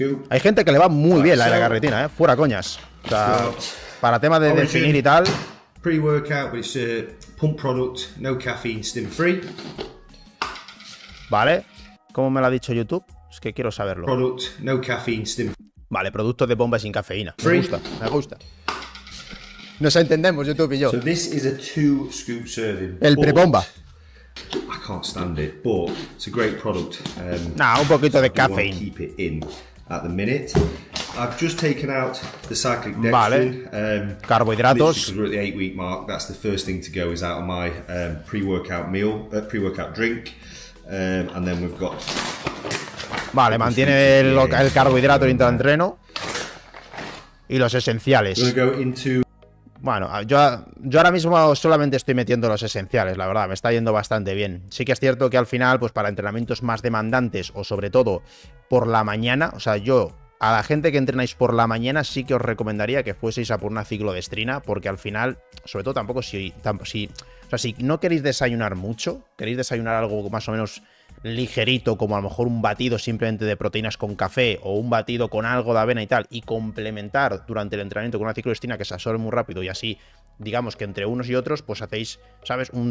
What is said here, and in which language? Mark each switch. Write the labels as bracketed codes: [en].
[es] Hay gente que le va muy bien la carnitina, ¿eh? Fuera coñas. O sea, para tema de definir y tal. [en] Pre-workout, but it's a pump product, no caffeine, stim free. [es] Vale. ¿Cómo me lo ha dicho YouTube? Es que quiero saberlo. [en] Product, no caffeine, stim. [es] Vale, producto de bomba sin cafeína. Me gusta. Nos entendemos, YouTube y yo. [en] So this is a 2-scoop serving. [es] El prebomba. [en] I can't stand it, but it's a great product. [es] Nah, un poquito de cafeína. [en] Keep it in at the minute. I've just taken out the cyclic dextrin. Vale. [es] Carbohidratos. [en] We're at the 8-week mark. That's the first thing to go is out of my pre-workout meal, pre-workout drink. And then we've got... [es] Vale, mantiene el carbohidrato el intraentreno y los esenciales. Bueno, yo ahora mismo solamente estoy metiendo los esenciales, la verdad, me está yendo bastante bien. Sí que es cierto que al final, pues para entrenamientos más demandantes o sobre todo por la mañana, o sea, yo a la gente que entrenáis por la mañana sí que os recomendaría que fueseis a por una ciclodextrina porque al final, sobre todo tampoco si o sea, si no queréis desayunar mucho, queréis desayunar algo más o menos ligerito, como a lo mejor un batido simplemente de proteínas con café o un batido con algo de avena y tal, y complementar durante el entrenamiento con una ciclodextrina que se absorbe muy rápido y así, digamos que entre unos y otros, pues hacéis, ¿sabes?